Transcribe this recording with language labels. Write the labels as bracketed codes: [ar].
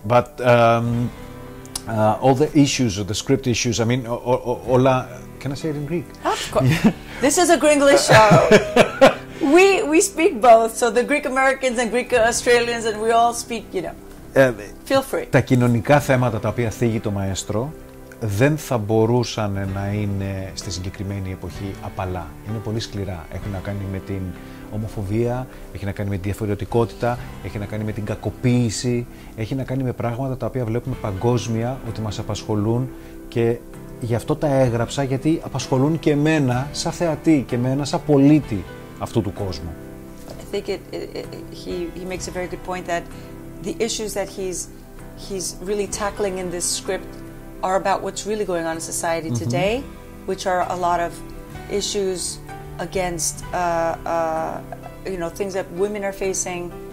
[en] But all the issues, or the script issues, I mean, hola... Can I say it in Greek? Of course. Yeah. This is a Gringlish show. We speak both, so the Greek Americans and Greek Australians, and we all speak, you know. Feel free. [el] Τα κοινωνικά θέματα τα οποία θίγει το Μαέστρο δεν θα μπορούσαν να είναι στη συγκεκριμένη εποχή απαλά. Είναι πολύ σκληρά. Έχουν να κάνει με την ομοφοβία, έχει να κάνει με τη διαφορετικότητα, έχει να κάνει με την κακοποίηση, έχει να κάνει με πράγματα τα οποία βλέπουμε παγκόσμια ότι μας απασχολούν και γι' αυτό τα έγραψα, γιατί απασχολούν και εμένα σαν θεατή και εμένα σαν πολίτη αυτού του κόσμου. [en] I think he makes a very good point that the issues that he's really tackling in this script are about what's really going on in society today, mm-hmm. which are a lot of issues against you know, things that women are facing.